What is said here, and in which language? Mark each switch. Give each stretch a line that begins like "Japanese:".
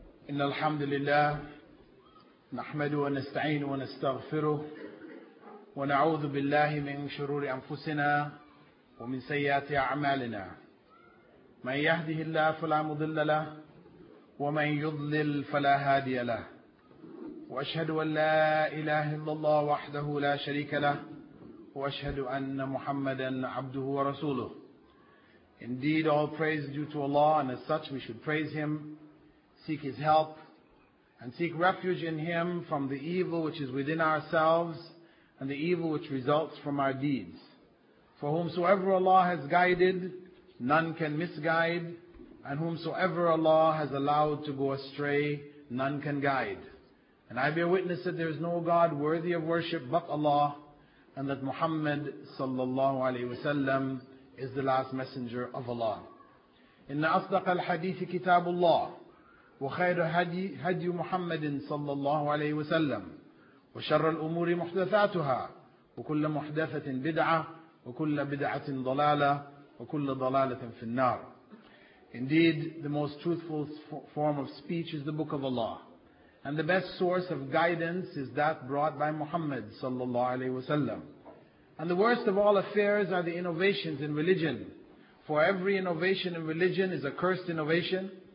Arabic: إن الحمد لله نحمده ونستعينه ونستغفره ونعوذ بالله من شرور أنفسنا ومن سيئات أعمالنا من يهده الله فلا مضل له ومن يضلل فلا هادي له وأشهد أن لا إله إلا الله وحده لا شريك له وأشهد أن محمدا عبده ورسوله.
English: Indeed, all praise due to Allah, and as such we should praise Him, seek His help, and seek refuge in Him from the evil which is within ourselves and the evil which results from our deeds. For whomsoever Allah has guided, none can misguide, and whomsoever Allah has allowed to go astray, none can guide. And I bear witness that there is no God worthy of worship but Allah, and that Muhammad sallallahu alayhi wasallam is the last messenger of Allah.
Arabic: Inna asdaq al-hadithi kitabullah. وخير هدي هدي محمد صلى الله عليه وسلم وشر الأمور محدثاتها وكل محدثة بدعة وكل بدعة ضلالة وكل ضلالة في النار.
English: Indeed, the most truthful form of speech is the Book of Allah, and the best source of guidance is that brought by Muhammad
Arabic: صلى الله عليه وسلم.
English: And the worst of all affairs are the innovations in religion, for every innovation in religion is a cursed innovation.